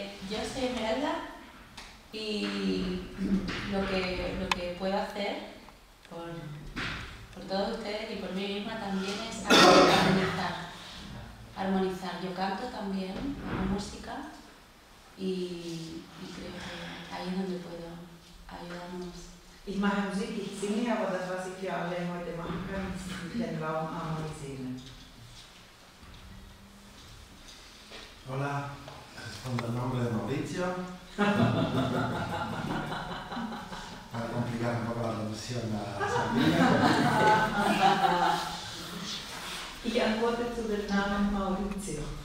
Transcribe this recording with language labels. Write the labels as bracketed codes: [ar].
[es] Yo soy Merda y lo que puedo hacer por todos ustedes y por mí misma también es armonizar. Armonizar. Yo canto también la música y creo que ahí es donde puedo ayudarnos. [de] Ich mache Musik, ich singe, aber das, was ich hier alle heute machen kann, ist den Raum harmonisieren. [es] Hola, respondo el nombre de Mauricio. Para complicar un poco la traducción a la sardina. ¿Y a cuál es tu nombre, Mauricio?